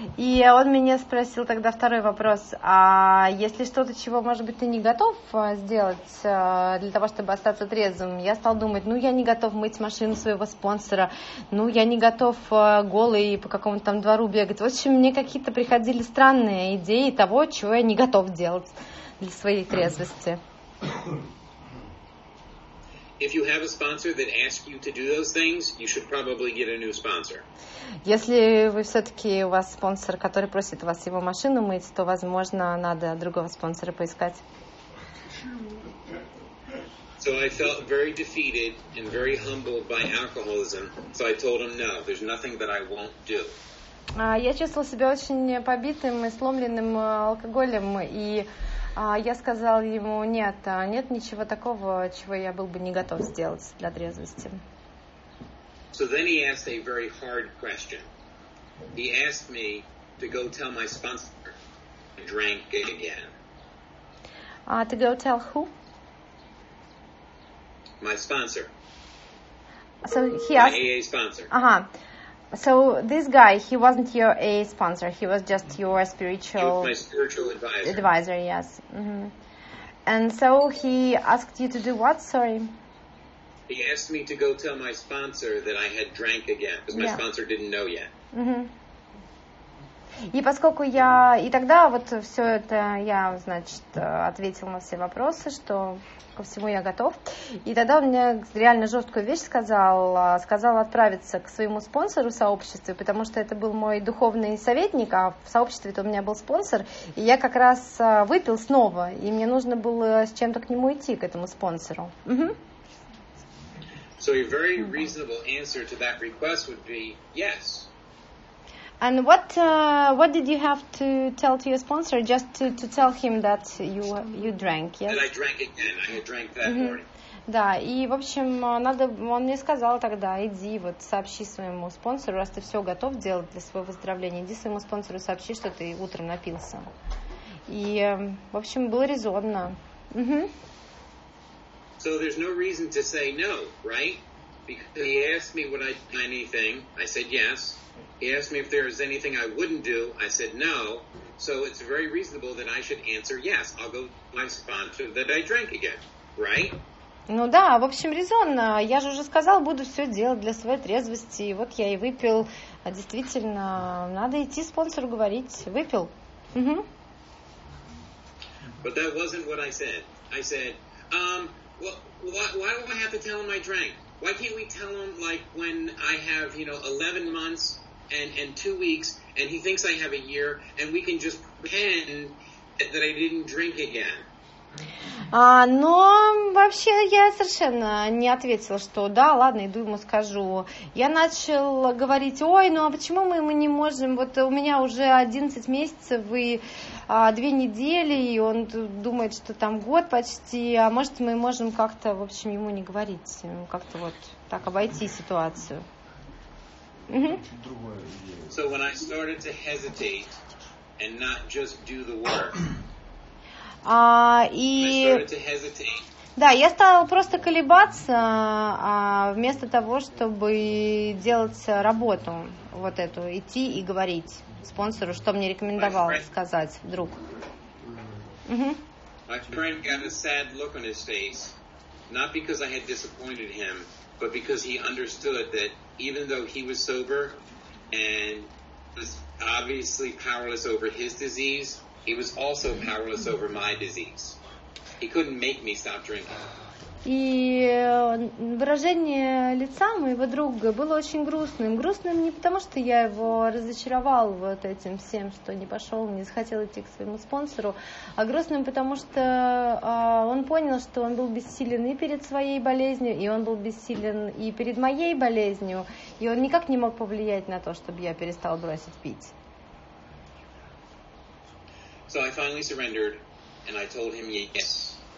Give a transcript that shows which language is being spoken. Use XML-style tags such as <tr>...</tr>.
<ru>И он меня спросил тогда второй вопрос. А есть ли что-то, чего, может быть, ты не готов сделать для того, чтобы остаться трезвым? Я стал думать, ну, я не готов мыть машину своего спонсора. Ну, я не готов голый по какому-то там двору бегать. В общем, мне какие-то приходили странные идеи того, чего я не готов делать для своей трезвости.</ru> <en>If you have a sponsor that asks you to do those things, you should probably get a new sponsor.</en> <ru>Если вы все-таки у вас спонсор, который просит вас его машину мыть, то, возможно, надо другого спонсора поискать.</ru> <en>So I felt very defeated and very humbled by alcoholism. So I told him, no, there's nothing that I won't do.</en> <ru>Я чувствовал себя очень побитым и сломленным алкоголем и я сказал ему, нет, нет ничего такого, чего я был бы не готов сделать для трезвости.</ru> <en>So then he asked a very hard question. He asked me to go tell my sponsor I drank again. To go tell who? My sponsor. So he asked... My AA sponsor. Uh-huh. So this guy, he wasn't your A sponsor. He was just your spiritual... He was my spiritual advisor. Advisor, yes. Mm-hmm. And so he asked you to do what? Sorry. He asked me to go tell my sponsor that I had drank again, because my sponsor didn't know yet. Mm-hmm.</en> <ru>И поскольку я и тогда вот все это я, значит, ответил на все вопросы, что ко всему я готов. И тогда он мне реально жесткую вещь сказал отправиться к своему спонсору в сообществе, потому что это был мой духовный советник, а в сообществе-то у меня был спонсор, и я как раз выпил снова, и мне нужно было с чем-то к нему идти, к этому спонсору.</ru> <en>So a very reasonable answer to that request would be yes. And what did you have to tell to your sponsor? Just to tell him that you drank, yes? That I drank again. I had drank that morning.</en> <ru>Да, и, в общем, надо, он мне сказал тогда, иди, вот, сообщи своему спонсору, раз ты все готов делать для своего выздоровления, иди своему спонсору, сообщи, что ты утром напился. И, в общем, было резонно.</ru> <en>So there's no reason to say no, right? Because he asked me would I do anything, I said yes. He asked me if there is anything I wouldn't do. I said no. So it's very reasonable that I should answer yes. I'll go to my sponsor that I drank again, right?</en> <ru>Ну да, в общем, резонно. Я же уже сказал, буду все делать для своей трезвости. Вот я и выпил. А действительно, надо идти спонсору говорить. Выпил.</ru> <en>But that wasn't what I said. I said, why do I have to tell him I drank? Why can't we tell him, like, when I have, you know, 11 months... And 2 weeks, and he thinks I have a year, and we can just pretend that I didn't drink again.</en> <ru>Но вообще я совершенно не ответила, что да, ладно, иду ему скажу. Я начал говорить, ой, ну а почему мы не можем, вот у меня уже 11 месяцев и 2 недели, и он думает, что там год почти, а может мы можем как-то, в общем, ему не говорить, как-то вот так обойти ситуацию. Mm-hmm.</ru> <en>So when I started to hesitate and not just do the work,</en> <ru>и...</ru> <en>when I started to hesitate.</en> <ru>Да, я стала просто колебаться, вместо того, чтобы делать работу вот эту, идти и говорить спонсору, что мне рекомендовал сказать друг.</ru> <en>My friend got a sad look on his face, not because I had disappointed him, but because he understood that even though he was sober and was obviously powerless over his disease, he was also powerless over my disease. He couldn't make me stop drinking.</en> <ru>И выражение лица моего друга было очень грустным. Грустным не потому, что я его разочаровал вот этим всем, что не пошел, не захотел идти к своему спонсору, а грустным потому, что он понял, что он был бессилен и перед своей болезнью, и он был бессилен и перед моей болезнью, и он никак не мог повлиять на то, чтобы я перестал бросить пить.</ru> <en>So I finally surrendered, and I told him yes.</en>